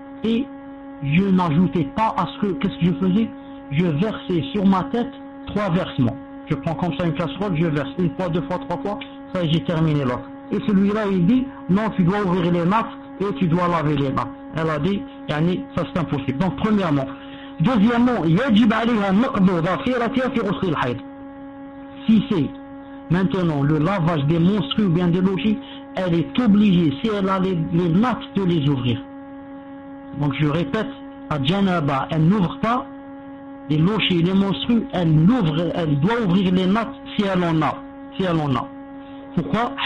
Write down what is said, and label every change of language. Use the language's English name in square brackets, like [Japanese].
[French] Et je n'ajoutais pas à ce que, qu'est-ce que je faisais? Je versais sur ma tête trois versements. Je prends comme ça une casserole, je verse une fois, deux fois, trois fois, ça j'ai terminé là. Et celui-là, il dit, non, tu dois ouvrir les mains et tu dois laver les mains. Elle a dit, yani, ça c'est impossible. Donc, premièrement. Deuxièmement, [Arabic] يجب عليها نقض ظافرتها في غسل الحيض. [French] Si c'est maintenant le lavage des menstrues ou bien des logis, elle est obligée, si elle a les nattes, de les ouvrir. Donc, je répète, à Janaba, elle n'ouvre pas les logis, les menstrues, elle doit ouvrir les nattes si elle en a. Si elle en a. Pourquoi ?